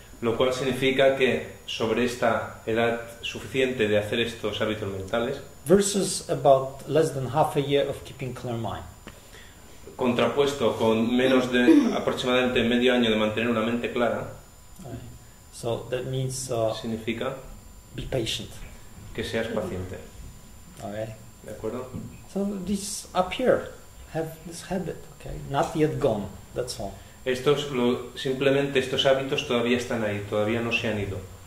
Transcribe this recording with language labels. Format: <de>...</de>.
<es>Lo cual significa que sobre esta edad suficiente de hacer estos hábitos mentales.</es> <en>Versus about less than half a year of keeping clear mind.</en> <es>Contrapuesto con menos de aproximadamente medio año de mantener una mente clara.</es> <en>So that means</en> <es>significa</es> <en>be patient.</en> <es>Que seas paciente.</es> <en>Okay.</en> <es>De acuerdo.</es> <en>So this up here have this habit, okay? Not yet gone. That's all.</en> <es>Estos hábitos todavía están ahí, todavía no se han ido.</es>